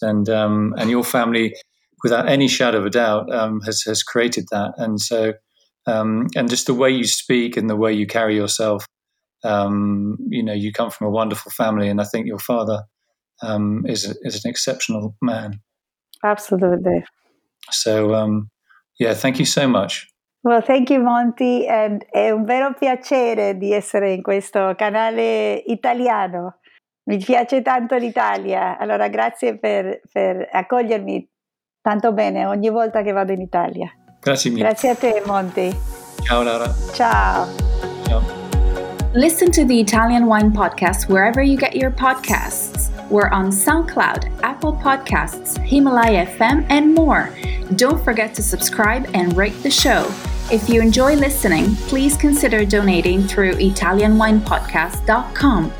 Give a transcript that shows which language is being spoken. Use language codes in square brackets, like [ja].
[en] And your family, without any shadow of a doubt, has created that. And so, and just the way you speak and the way you carry yourself, you know, you come from a wonderful family, and I think your father is an exceptional man. Absolutely. So, thank you so much. Well, thank you, Monty, and [it] è un vero piacere di essere in questo canale italiano. Mi piace tanto l'Italia. Allora, grazie per accogliermi tanto bene ogni volta che vado in Italia. Grazie mille. Grazie a te, Monty. Ciao, Laura. Ciao. Ciao. [en] Listen to the Italian Wine Podcast wherever you get your podcasts. We're on SoundCloud, Apple Podcasts, Himalaya FM, and more. Don't forget to subscribe and rate the show. If you enjoy listening, please consider donating through italianwinepodcast.com.